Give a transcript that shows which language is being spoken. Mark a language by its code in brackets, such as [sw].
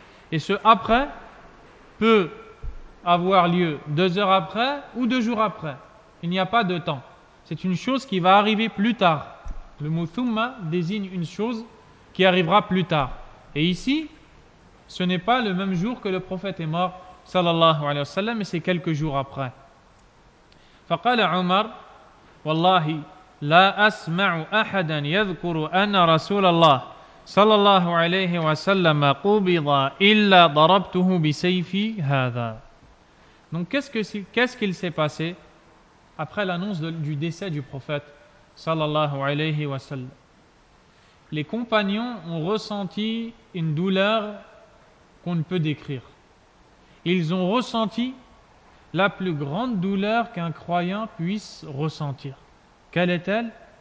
[fr] Et ce après peut avoir lieu 2 heures après ou 2 jours après. Il n'y a pas de temps. C'est une chose qui va arriver plus tard. Le mot thumma désigne une chose qui arrivera plus tard. Et ici, ce n'est pas le même jour que le prophète est mort sallallahu alayhi wa sallam, mais c'est quelques jours après. [ar] فقال عمر والله لا أسمع أحدا يذكر أن رسول الله صلى الله عليه وسلم قبض إلا ضربته بسيفي هذا. [fr] Donc qu'est-ce qu'il s'est passé après l'annonce du décès du prophète sallallahu alayhi wa sallam? Les compagnons ont ressenti une douleur qu'on ne peut décrire. Ils ont ressenti la plus grande douleur qu'un croyant puisse ressentir. Quelle est-elle?